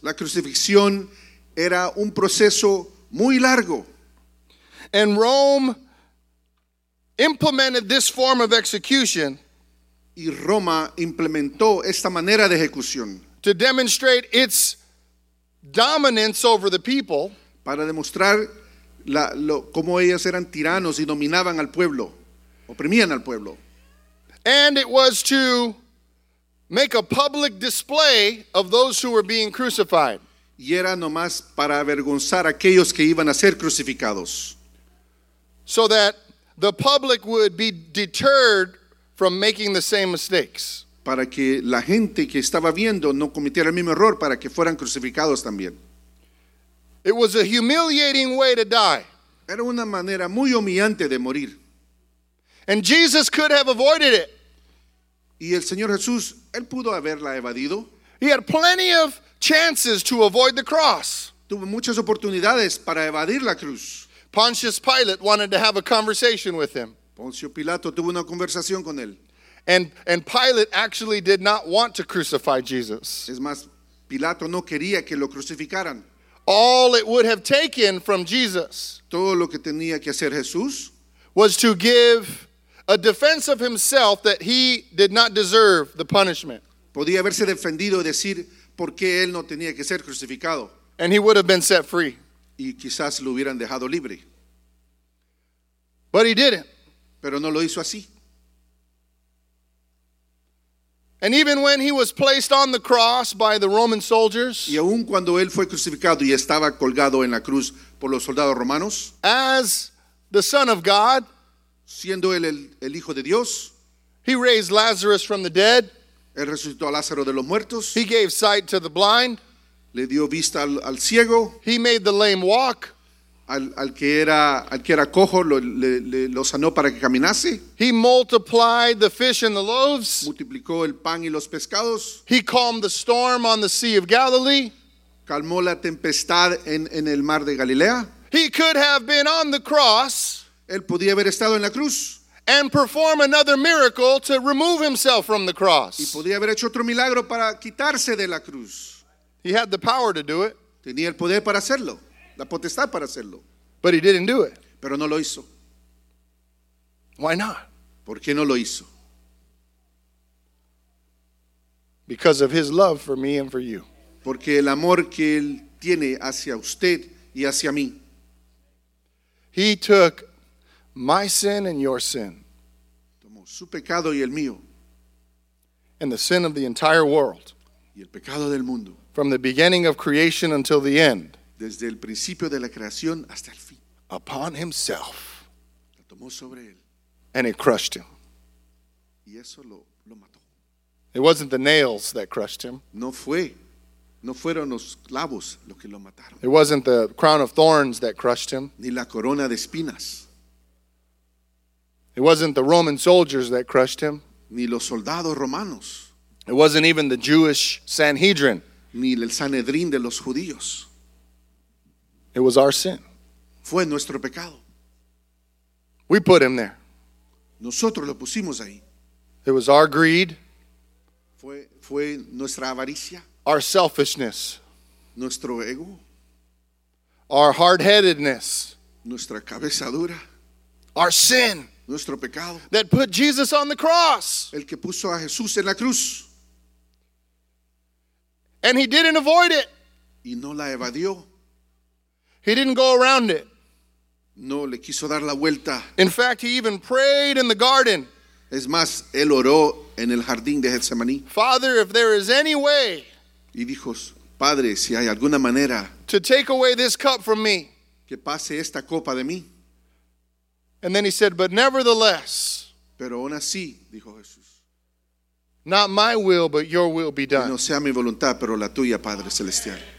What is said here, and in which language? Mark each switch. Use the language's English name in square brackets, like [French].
[Spanish] La crucifixión era un proceso muy largo. [English] And Rome implemented this form of execution. [Spanish] Y Roma implementó esta manera de ejecución. [English] To demonstrate its dominance over the people. [Spanish] Para demostrar cómo ellos eran tiranos y dominaban al pueblo, oprimían al pueblo. [English] And it was to make a public display of those who were being crucified. [Spanish] Y era nomás para avergonzar a aquellos que iban a ser crucificados. [English] So that the public would be deterred from making the same mistakes. [Spanish] Para que la gente que estaba viendo no cometiera el mismo error, para que fueran crucificados también. [English] It was a humiliating way to die. [Spanish] Era una manera muy humillante de morir. [English] And Jesus could have avoided it. [Spanish] Y el Señor Jesús, él pudo haberla evadido. [English] He had plenty of chances to avoid the cross. [Spanish] Tuvo muchas oportunidades para evadir la cruz. [English] Pontius Pilate wanted to have a conversation with him. [Spanish] Poncio Pilato tuvo una conversación con él. [English] And Pilate actually did not want to crucify Jesus. [Spanish] Es más, Pilato no quería que lo crucificaran. [English] All it would have taken from Jesus, [Spanish] todo lo que tenía que hacer Jesús, [English] was to give a defense of himself that he did not deserve the punishment. [Spanish] Podía haberse defendido y decir por qué él no tenía que ser crucificado. [English] And he would have been set free. [Spanish] Y quizás lo hubieran dejado libre. [English] But he didn't. [Spanish] Pero no lo hizo así. [English] And even when he was placed on the cross by the Roman soldiers, [Spanish] y aun cuando él fue crucificado y estaba colgado en la cruz por los soldados romanos, [English] as the Son of God, [Spanish] siendo él el Hijo de Dios, [English] he raised Lazarus from the dead. [Spanish] Él resucitó a Lázaro de los muertos. [English] He gave sight to the blind. [Spanish] Le dio vista al ciego. [English] He made the lame walk. [Spanish] Al que era cojo lo sanó para que caminase. [English] He multiplied the fish and the loaves. [Spanish] Multiplicó el pan y los pescados. [English] He calmed the storm on the Sea of Galilee. [Spanish] Calmó la tempestad en el mar de Galilea. [English] He could have been on the cross. [Spanish] Él podía haber estado en la cruz. [English] And perform another miracle to remove himself from the cross. [Spanish] Y podía haber hecho otro milagro para quitarse de la cruz. [English] He had the power to do it. [Spanish] Tenía el poder para hacerlo. La potestad para hacerlo. [English] But he didn't do it. [Spanish] Pero no lo hizo. [English] Why not? [Spanish] ¿Por qué no lo hizo? [English] Because of his love for me and for you. [Spanish] Porque el amor que él tiene hacia usted y hacia mí. [English] He took my sin and your sin. [Spanish] Tomó su pecado y el mío. [English] And the sin of the entire world. [Spanish] Y el pecado del mundo. [English] From the beginning of creation until the end. [Spanish] Desde el principio de la creación hasta el fin. [English] Upon himself. [Spanish] Lo tomó sobre él. [English] And it crushed him. [Spanish] Y eso lo mató. [English] It wasn't the nails that crushed him. [Spanish] No fueron los clavos los que lo mataron. [English] It wasn't the crown of thorns that crushed him. [Spanish] Ni la corona de espinas. [English] It wasn't the Roman soldiers that crushed him. [Spanish] Ni los soldados romanos. [English] It wasn't even the Jewish Sanhedrin. [Spanish] Ni el Sanedrín de los judíos. [English] It was our sin. [Spanish] Fue nuestro pecado. [English] We put him there. [Spanish] Nosotros lo pusimos ahí. [English] It was our greed. [Spanish] Fue nuestra avaricia. [English] Our selfishness. [Spanish] Nuestro ego. [English] Our hard-headedness. [Spanish] Nuestra cabeza dura. [English] Our sin. [Spanish] Nuestro pecado. [English] That put Jesus on the cross. [Spanish] El que puso a Jesús en la cruz. [English] And he didn't avoid it. [Spanish] Y no la evadió. [English] He didn't go around it. [Spanish] No le quiso dar la vuelta. [English] In fact, he even prayed in the garden. [Spanish] Es más, él oró en el jardín de Getsemaní. [English] Father, if there is any way. [Spanish] Y dijo, Padre, si hay alguna manera. [English] To take away this cup from me. [Spanish] Que pase esta copa de mí. [English] And then he said, but nevertheless. [Spanish] Pero aún así, dijo Jesús. [English] Not my will, but your will be done. [Spanish] Que no sea mi voluntad, pero la tuya, Padre Celestial.